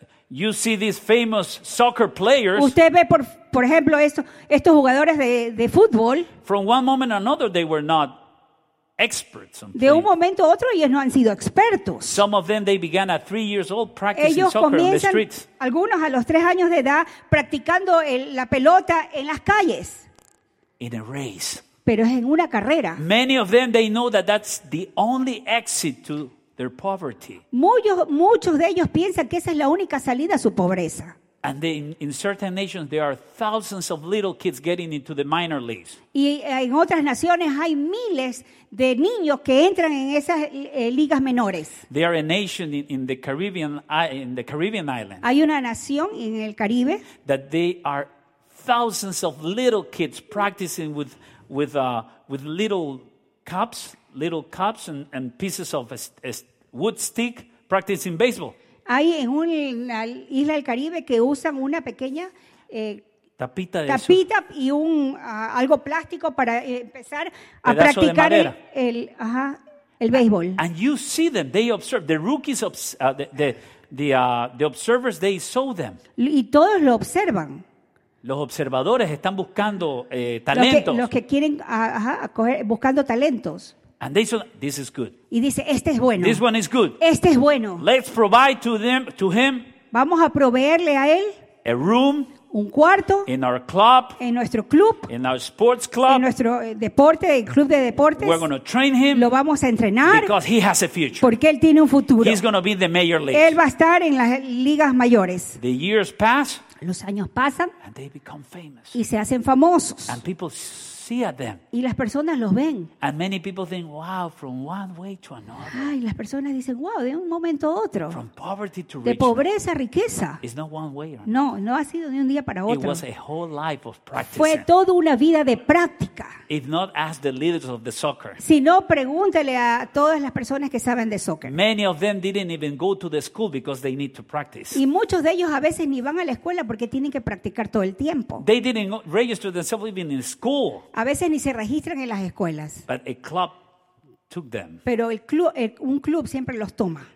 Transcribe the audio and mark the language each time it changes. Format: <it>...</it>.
<en>You see these famous soccer players.</en> <es>Usted ve por ejemplo estos jugadores de fútbol.</es> <en>From one moment to another, they were not experts.</en> <es>De un momento a otro ellos no han sido expertos.</es> <en>Some of them they began at 3 years old practicing</en> <es>ellos</es> <en>soccer</en> <es>comienzan,</es> <en>on the streets.</en> <es>Algunos a los 3 años de edad practicando la pelota en las calles.</es> <en>In a race.</en> <es>Pero es en una carrera.</es> <en>Many of them they know that that's the only exit to their poverty.</en> <es>Muchos de ellos piensan que esa es la única salida a su pobreza.</es> <en>And in certain nations there are thousands of little kids getting into the minor leagues.</en> <es>Y en otras naciones hay miles de niños que entran en esas ligas menores.</es> <en>They are a nation in the Caribbean island.</en> <es>Hay una nación en el Caribe.</es> <en>That they are thousands of little kids practicing with little cups and pieces of a wood stick practicing baseball.</en> <es>Hay en una isla del Caribe que usan una pequeña tapita y un algo plástico para empezar a practicar el béisbol.</es> <en>And you see them, they observe the rookies, the observers, they saw them.</en> <es>Y todos lo observan. Los observadores están buscando talentos. Los que quieren coger, buscando talentos.</es> <en>And they said, "This is good."</en> <es>Y dice, este es bueno.</es> <en>This one is good.</en> <es>Este es bueno.</es> <en>Let's provide to him.</en> <es>Vamos a proveerle a él.</es> <en>A room.</en> <es>Un cuarto.</es> <en>In our club.</en> <es>En nuestro club.</es> <en>In our sports club.</en> <es>En nuestro deporte, el club de deportes.</es> <en>We're going to train him.</en> <es>Lo vamos a entrenar.</es> <en>Because he has a future.</en> <es>Porque él tiene un futuro.</es> <en>He's going to be in the major league.</en> <es>Él va a estar en las ligas mayores.</es> <en>The years pass.</en> <es>Los años pasan.</es> <en>And they become famous.</en> <es>Y se hacen famosos.</es> <en>And people see at them.</en> <es>Y las personas los ven.</es> <en>And many people think, wow, from one way to another.</en> <es>Ay, las personas dicen, wow, de un momento a otro.</es> <en>From poverty to riches.</en> <es>De pobreza a riqueza.</es> <en>It's not one way or another.</en> <es>No, no ha sido de un día para otro.</es> <en>It was a whole life of practicing.</en> <es>Fue toda una vida de práctica.</es> <en>If not, ask the leaders of the soccer.</en> <es>Si no, pregúntele a todas las personas que saben de soccer.</es> <en>Many of them didn't even go to the school because they need to practice.</en> <es>Y muchos de ellos a veces ni van a la escuela porque tienen que practicar todo el tiempo.</es> <en>They didn't register themselves even in school.</en> <es>A veces ni se registran en las escuelas.</es> <en>But a club took them.</en> <es>Pero un club siempre los toma.</es>